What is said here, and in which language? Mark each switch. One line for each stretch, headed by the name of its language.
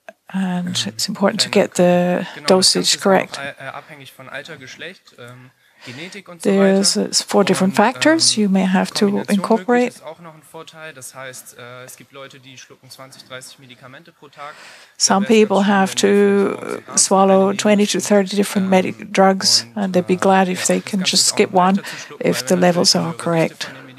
English: And it's important to get the dosage correct.
German: Abhängig von Alter, Geschlecht, Genetik und so weiter.
English: There's four different factors you may have to incorporate.
German: Ist auch noch ein Vorteil, das heißt, es gibt Leute, die schlucken 20-30 Medikamente pro Tag.
English: Some people have to swallow 20-30 different drugs, and they'd be glad if they can just skip one if the levels are correct.